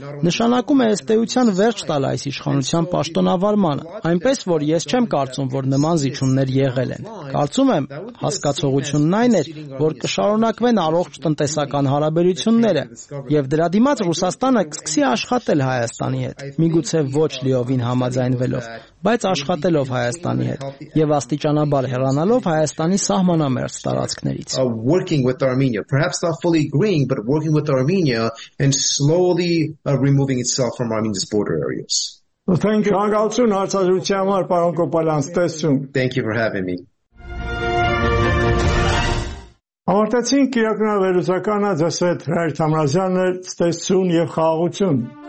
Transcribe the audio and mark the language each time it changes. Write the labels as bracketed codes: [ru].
[hy] նշանակում է էստեյության վերջ տալ այս իշխանության պաշտոնավարմանը, այնպես որ ես չեմ կարծում, որ նման զիջումներ եղել են։ Կարծում եմ, հասկացողությունն այն է, որ կշարունակվեն առողջ տնտեսական հարաբերությունները, եւ դրա դիմաց Ռուսաստանը կսկսի աշխատել Հայաստանի հետ, միգուցե ոչ լիովին համաձայնվելով, բայց աշխատելով Հայաստանի հետ եւ աստիճանաբար հեռանալով Հայաստանի սահմանամերձ տարածքներից։ [en] Working with Armenia, perhaps not fully agreeing, but working with Armenia and slowly removing itself from Armenia's border areas. Thank you. [hy] Շնորհակալություն հարցազրույցի համար, պարոն Կոպալյան, տեսություն։ [en] Thank you for having me. [hy] Ավարտեցին կիրակնավերուսականը Ձեսհետ Հրայր Թամրազյանը, ցտեսություն և խաղաղություն։